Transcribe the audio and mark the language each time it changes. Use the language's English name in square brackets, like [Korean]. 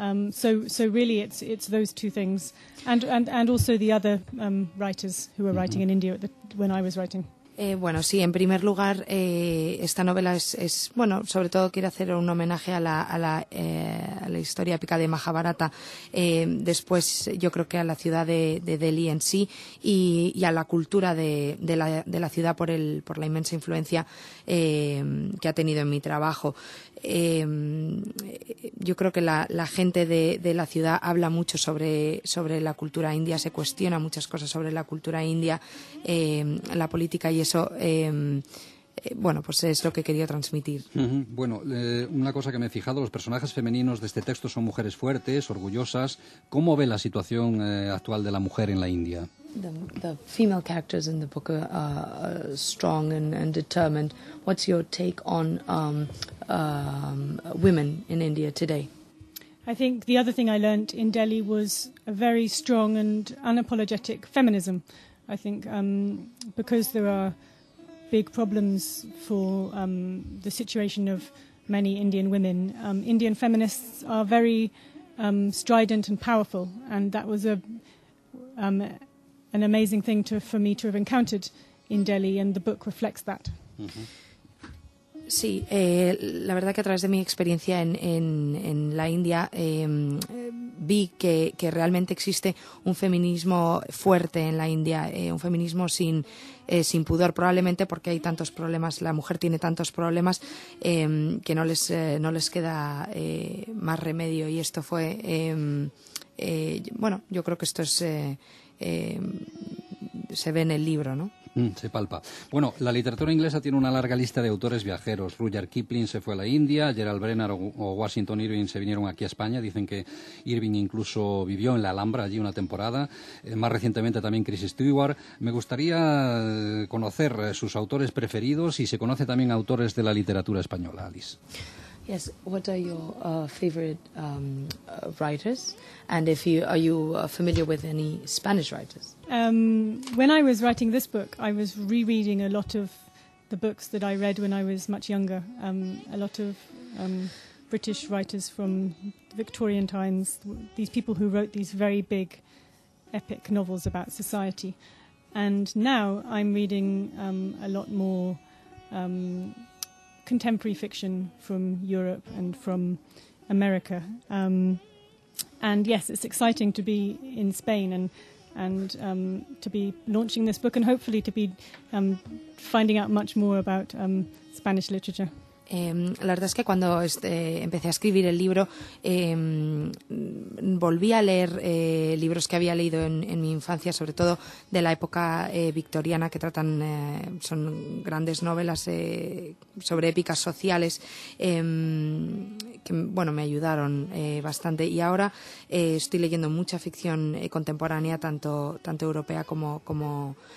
[English] So really, it's those two things, and also the other writers who were writing in India when I was writing. [Spanish] Bueno, sí, en primer lugar, esta novela es bueno, sobre todo quiere hacer un homenaje a la historia épica de Mahabharata, después yo creo que a la ciudad de Delhi en sí y a la cultura de la ciudad por la inmensa influencia que ha tenido en mi trabajo. Yo creo que la gente de la ciudad habla mucho sobre la cultura india, se cuestiona muchas cosas sobre la cultura india, la política, y eso, bueno, pues es lo que quería transmitir. Uh-huh. Bueno, una cosa que me he fijado, los personajes femeninos de este texto son mujeres fuertes, orgullosas. ¿Cómo ve la situación actual de la mujer en la India? [English] The female characters in the book are strong and determined. What's your take on women in India today? I think the other thing I learned in Delhi was a very strong and unapologetic feminism. I think because there are big problems for the situation of many Indian women, Indian feminists are very strident and powerful, and that was an amazing thing for me to have encountered in Delhi, and the book reflects that. Mm-hmm. [Spanish] Sí, la verdad que a través de mi experiencia en la India vi que realmente existe un feminismo fuerte en la India, un feminismo sin pudor, probablemente porque hay tantos problemas, la mujer tiene tantos problemas que no les queda más remedio, y esto fue, bueno, yo creo que esto es se ve en el libro, ¿no? Se palpa. Bueno, la literatura inglesa tiene una larga lista de autores viajeros. Rudyard Kipling se fue a la India, Gerald Brenner o Washington Irving se vinieron aquí a España. Dicen que Irving incluso vivió en la Alhambra allí una temporada. Más recientemente también Chris Stewart. Me gustaría conocer sus autores preferidos y si se conoce también autores de la literatura española, Alice. [English] Yes, what are your favorite writers? And if you are you familiar with any Spanish writers? When I was writing this book, I was rereading a lot of the books that I read when I was much younger. A lot of British writers from Victorian times, these people who wrote these very big epic novels about society. And now I'm reading a lot more contemporary fiction from Europe and from America. And yes, it's exciting to be in Spain and to be launching this book, and hopefully to be finding out much more about Spanish literature. [Spanish] La verdad es que cuando empecé a escribir el libro volví a leer libros que había leído en mi infancia, sobre todo de la época victoriana, que tratan son grandes novelas sobre épicas sociales que bueno, me ayudaron bastante, y ahora estoy leyendo mucha ficción contemporánea, tanto europea como